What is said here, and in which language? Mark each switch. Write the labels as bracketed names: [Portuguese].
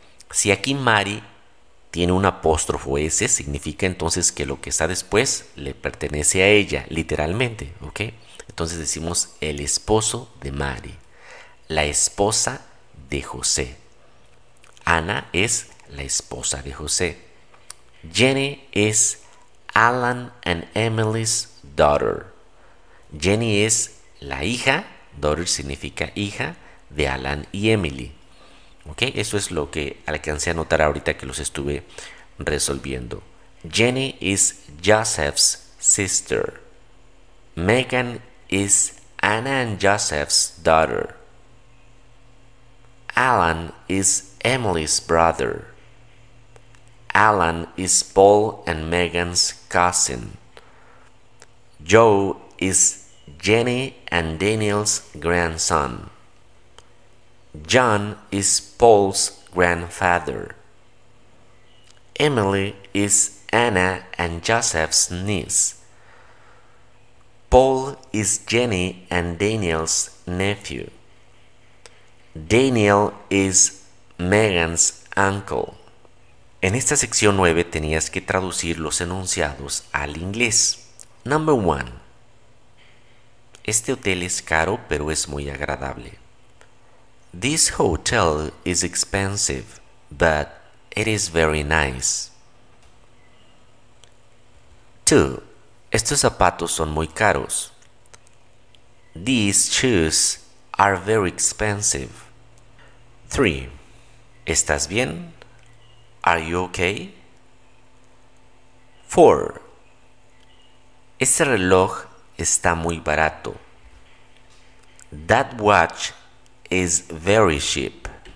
[Spanish] Si aquí Mary tiene un apóstrofo S, significa entonces que lo que está después le pertenece a ella, literalmente, ¿ok? Entonces decimos el esposo de Mary, la esposa de José. Ana es la esposa de José. [English] Jenny es Alan and Emily's daughter. [Spanish] Jenny es la hija, daughter significa hija, de Alan y Emily. Ok, eso es lo que alcancé a notar ahorita que los estuve resolviendo. [English] Jenny is Joseph's sister. Megan is Anna and Joseph's daughter. Alan is Emily's brother. Alan is Paul and Megan's cousin. Joe is Jenny and Daniel's grandson. John is Paul's grandfather. Emily is Anna and Joseph's niece. Paul is Jenny and Daniel's nephew. Daniel is Megan's uncle. [Spanish] En esta sección 9 tenías que traducir los enunciados al inglés. [English] Number 1. [Spanish] Este hotel es caro, pero es muy agradable. [English] This hotel is expensive, but it is very nice. 2. [Spanish] Estos zapatos son muy caros. [English] These shoes are very expensive. 3. [Spanish] ¿Estás bien? [English] Are you okay? 4. [Spanish] Este reloj está muy barato. [English] That watch is very cheap.